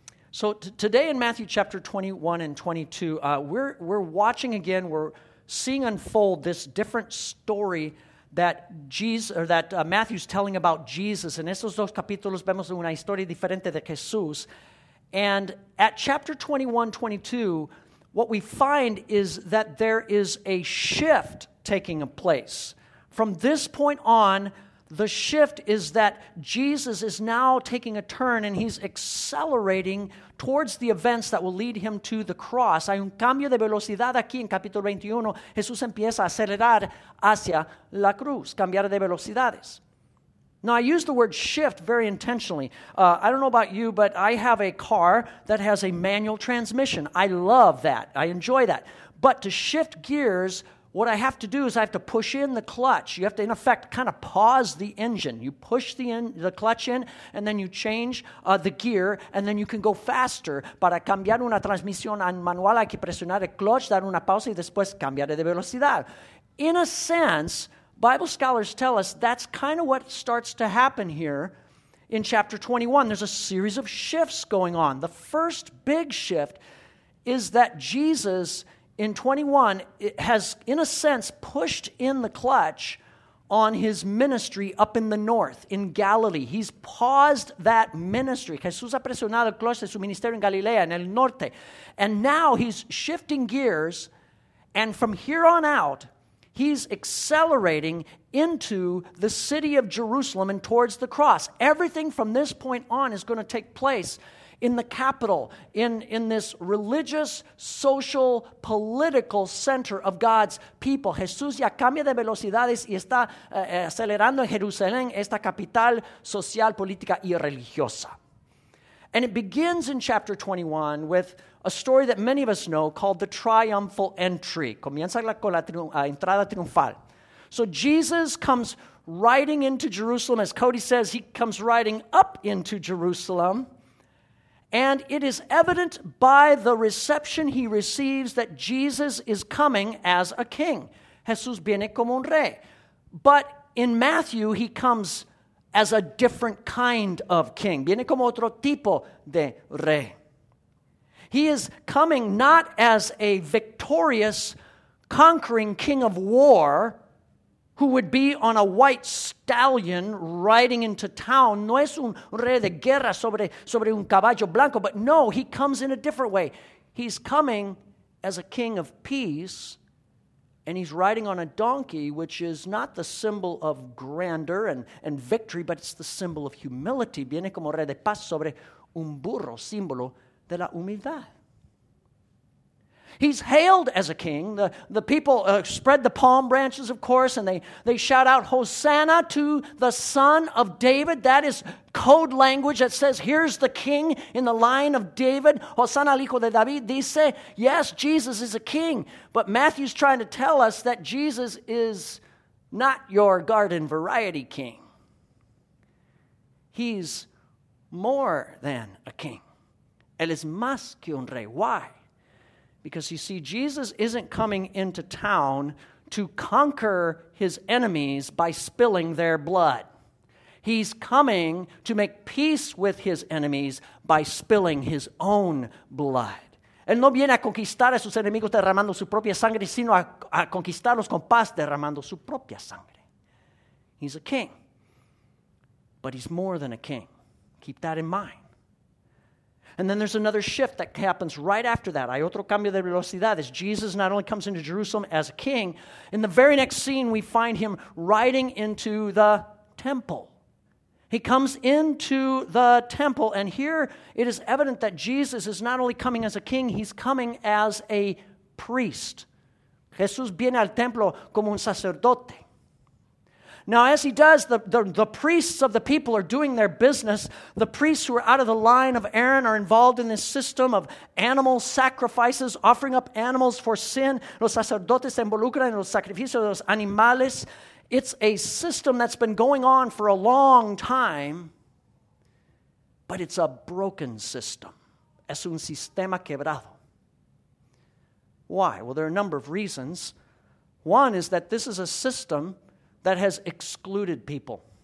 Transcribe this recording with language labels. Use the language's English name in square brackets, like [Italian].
[English] So today in Matthew chapter 21 and 22, we're watching again, we're seeing unfold this different story that Matthew's telling about Jesus. [Spanish] En estos dos capítulos vemos una historia diferente de Jesús. [English] And at chapter 21, 22, what we find is that there is a shift taking place. From this point on, the shift is that Jesus is now taking a turn and he's accelerating towards the events that will lead him to the cross. [Spanish] Hay un cambio de velocidad aquí en capítulo 21. Jesús empieza a acelerar hacia la cruz, cambiar de velocidades. [English] Now, I use the word shift very intentionally. I don't know about you, but I have a car that has a manual transmission. I love that. I enjoy that. But to shift gears, what I have to do is I have to push in the clutch. You have to, in effect, kind of pause the engine. You push the clutch in, and then you change the gear, and then you can go faster. [Spanish] Para cambiar una transmisión manual, hay que presionar el clutch, dar una pausa, y después cambiar de velocidad. [English] In a sense, Bible scholars tell us that's kind of what starts to happen here in chapter 21. There's a series of shifts going on. The first big shift is that Jesus in 21, it has, in a sense, pushed in the clutch on his ministry up in the north, in Galilee. He's paused that ministry. [Spanish] Jesús ha presionado el clutch de su ministerio en Galilea, en el norte. [English] And now he's shifting gears, and from here on out, he's accelerating into the city of Jerusalem and towards the cross. Everything from this point on is going to take place in the capital, in this religious, social, political center of God's people. [Spanish] Jesús ya cambia de velocidades y está acelerando en Jerusalén, esta capital social, política y religiosa. [English] And it begins in chapter 21 with a story that many of us know called the triumphal entry. [Spanish] Comienza con la entrada triunfal. [English] So Jesus comes riding into Jerusalem. As Cody says, he comes riding up into Jerusalem. And it is evident by the reception he receives that Jesus is coming as a king. [Spanish] Jesús viene como un rey. [English] But in Matthew, he comes as a different kind of king. [Spanish] Viene como otro tipo de rey. [English] He is coming not as a victorious, conquering king of war who would be on a white stallion riding into town. [Spanish] No es un rey de guerra sobre un caballo blanco, [English] but no, he comes in a different way. He's coming as a king of peace, and he's riding on a donkey, which is not the symbol of grandeur and victory, but it's the symbol of humility. [Spanish] Viene como rey de paz sobre un burro, símbolo de la humildad. [English] He's hailed as a king. The people spread the palm branches, of course, and they shout out, Hosanna to the Son of David. That is code language that says, here's the king in the line of David. [Spanish] Hosanna al hijo de David. Dice, [English] yes, Jesus is a king. But Matthew's trying to tell us that Jesus is not your garden variety king. He's more than a king. [Spanish] Él es más que un rey. [English] Why? Because you see, Jesus isn't coming into town to conquer his enemies by spilling their blood. He's coming to make peace with his enemies by spilling his own blood. [Spanish] Él no viene a conquistar a sus enemigos derramando su propia sangre, sino a conquistarlos con paz derramando su propia sangre. [English] He's a king, but he's more than a king. Keep that in mind. And then there's another shift that happens right after that. [Spanish] Hay otro cambio de velocidades. [English] Jesus not only comes into Jerusalem as a king, in the very next scene we find him riding into the temple. He comes into the temple, and here it is evident that Jesus is not only coming as a king, he's coming as a priest. [Spanish] Jesús viene al templo como un sacerdote. [English] Now, as he does, the priests of the people are doing their business. The priests who are out of the line of Aaron are involved in this system of animal sacrifices, offering up animals for sin. [Spanish] Los sacerdotes se involucran en los sacrificios de los animales. [English] It's a system that's been going on for a long time, but it's a broken system. [Spanish] Es un sistema quebrado. [English] Why? Well, there are a number of reasons. One is that this is a system that has excluded people.